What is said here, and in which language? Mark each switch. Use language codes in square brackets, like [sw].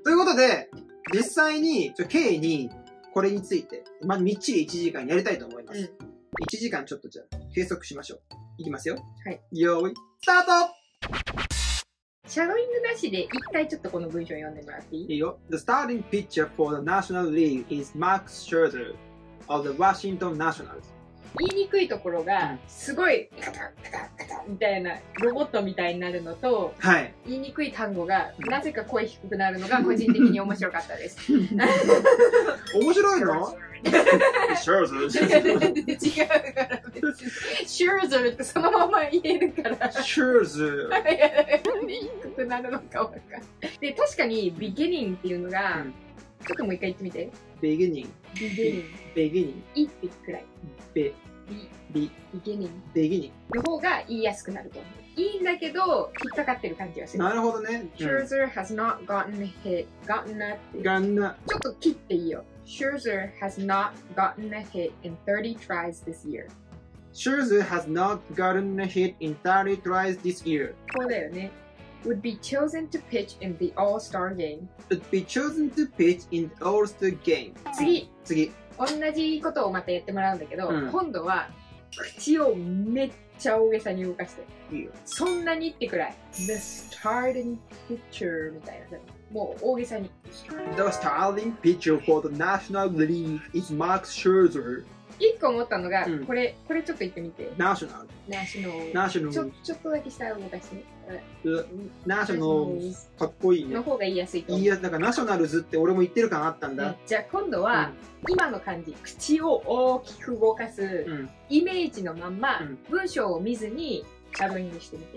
[ja] ということで、実際に、K に、これについて、まあ、みっちり1時間やりたいと思います。うん、1時間ちょっとじゃあ、計測しましょう。いきますよ。はい。よーい、スタート！シャドウイングなしで一回ちょっとこの文章読んでもらっていい？いいよ。 [en] The starting pitcher for the National League is Max Scherzer of the Washington Nationals. [ja] 言いにくいところが、すごい、カタカタカタみたいな、ロボットみたいになるのと、はい、言いにくい単語が、なぜか声低くなるのが個人的に面白かったです。面白いの？シューズル違うから別にシューズルってそのまま言えるからシューズル何言いたくなるのか分かんない。確かにビギニングっていうのが、うん、ちょっともう一回言ってみて。ビギニング、ビギニング、ビギニング、イッピくらい、ビビビビギニング、ビギニングの方が言いやすくなると思う。いいんだけど引っかかってる感じがする。なるほどね。 [en] シューズル has not gotten hit gotten up gotten up [ja] ちょっと切っていいよ。 [en] Scherzer has not gotten a hit in 30 tries this year. Scherzer has not gotten a hit in 30 tries this year. [ja] そうだよね。 [en] Would be chosen to pitch in the All-Star game. Would be chosen to pitch in the All-Star game. [ja] 次。同じことをまたやってもらうんだけど、うん、今度は口をめっちゃ大げさに動かして。いいよ。そんなにってくらい。 [en] The starting pitcher [ja] みたいな。もう大げさに。 [en] The starting pitcher for the National League is Max Scherzer. [ja] 一個思ったのが、うん、これちょっと言ってみて。 [en] National. National. [ja] ちょっとだけ下を動かして。 National. かっこいいね。の方が言いやすいと思う。いや、なんか Nationals って俺も言ってる感あったんだ。じゃあ今度は、うん、今の感じ、口を大きく動かす、うん、イメージのまんま、うん、文章を見ずにシャドウイングしてみて。